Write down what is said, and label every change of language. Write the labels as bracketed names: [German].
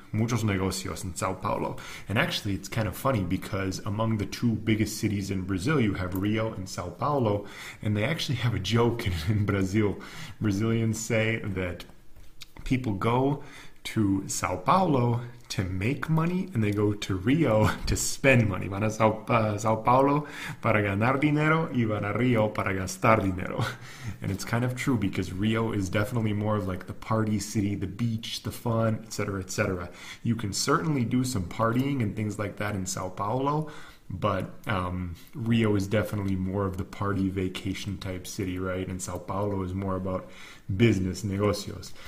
[Spanish] Muchos negocios [English] in Sao Paulo. And actually, it's kind of funny because among the two biggest cities in Brazil, you have Rio and Sao Paulo, and they actually have a joke in Brazil. Brazilians say that people go to Sao Paulo to make money, and they go to Rio to spend money. [Spanish] Van a Sao Paulo para ganar dinero y van a Rio para gastar dinero. [English] And it's kind of true because Rio is definitely more of like the party city, the beach, the fun, etc., etc. You can certainly do some partying and things like that in Sao Paulo, but Rio is definitely more of the party vacation type city, right? And Sao Paulo is more about business, negocios.